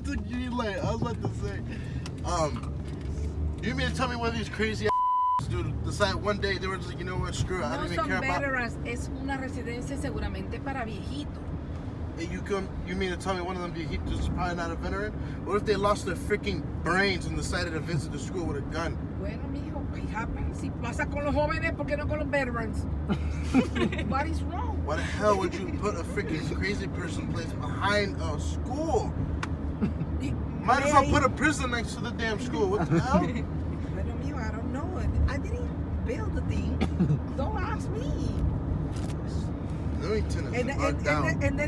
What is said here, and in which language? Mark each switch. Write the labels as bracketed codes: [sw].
[en] It's a green light. I was about to say. You mean to tell me one of these crazy ass dude decided one day they were just like, you know what, screw it, no I don't even care veterans. About [es] it. Es una residencia seguramente para viejitos. [en] You mean to tell me one of them viejitos is probably not a veteran? What if they lost their freaking brains and decided to visit the school with a gun? [es] Bueno, mijo, ¿qué happens? Si pasa con los jóvenes, ¿por qué no con los veterans? [en] What is wrong? Why the hell would you put a freaking crazy person place behind a school? Might as well put a prison next to the damn school. What the hell? Bueno, mijo, I don't know. I didn't build the thing. Don't ask me. And then